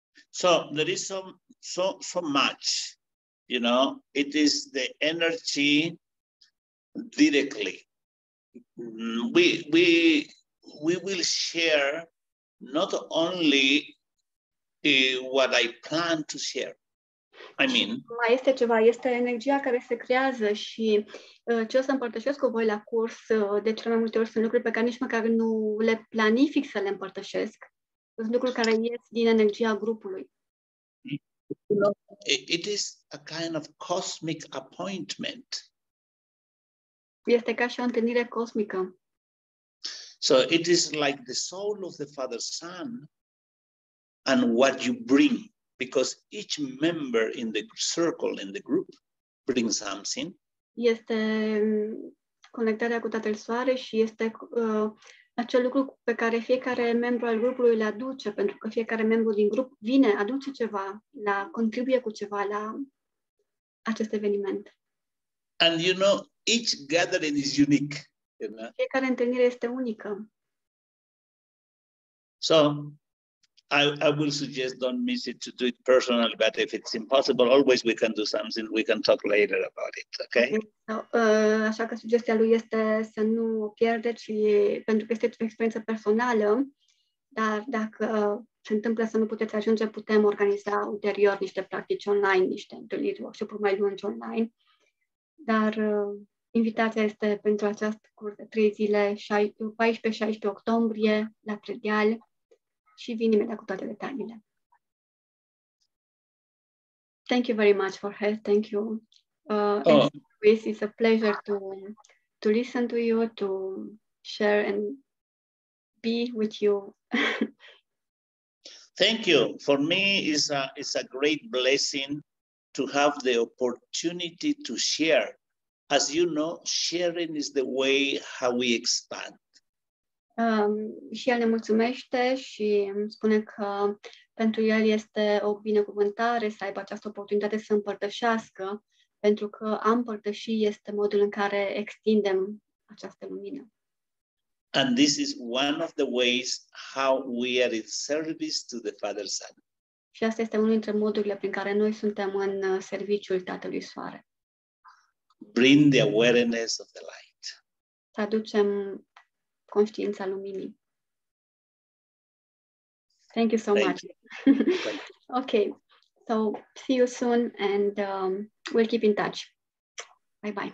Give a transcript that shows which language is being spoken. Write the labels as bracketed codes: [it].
[en] So, there is so much, you know, it is the energy directly. We will share not only what I plan to share, I mean. [ro] Mai este ceva, este energia care se creează și ce o să împărtășesc cu voi la curs, de cele mai multe ori sunt lucruri pe care nici măcar nu le planific să le împărtășesc. Sunt lucruri care ies din energia grupului. [en] It is a kind of cosmic appointment. [ro] Este ca și o întâlnire cosmică. [en] So it is like the soul of the Father, Son and what you bring. Because each member in the circle, in the group, brings something. [ro] Este conectarea cu Tatăl Soare și este acel lucru pe care fiecare membru al grupului le aduce, pentru că fiecare membru din grup vine, aduce ceva, contribuie cu ceva la acest eveniment. [en] And you know, each gathering is unique. You know? [ro] Fiecare întâlnire este unică. [en] So, I will suggest don't miss it to do it personally, but if it's impossible, always we can do something, we can talk later about it, okay? [ro] Așa că sugestia lui este să nu o pierdeți, pentru că este o experiență personală, dar dacă se întâmplă să nu puteți ajunge, putem organiza ulterior niște practici online, niște întâlniri, workshop-uri mai lungi online, dar invitația este pentru acest curs de 3 zile, 14-16 octombrie, la Predeal, și vin imediat cu toate detaliile. [en] Thank you very much for her. Thank you. Luis, it's a pleasure to listen to you, to share and be with you. Thank you. For me, it's a great blessing to have the opportunity to share. As you know, sharing is the way how we expand. [ro] Și el ne mulțumește și spune că pentru el este o binecuvântare să aibă această oportunitate să împărtășească, pentru că a împărtăși este modul în care extindem această lumină. [en] And this is one of the ways how we are in service to the Father Son. [ro] Și asta este unul dintre modurile prin care noi suntem în serviciul Tatălui Soare. [en] Bring the awareness of the light. [ro] Să aducem conștiința luminii. [en] Thank you so Thank much. You. Okay. So, see you soon and we'll keep in touch. Bye-bye.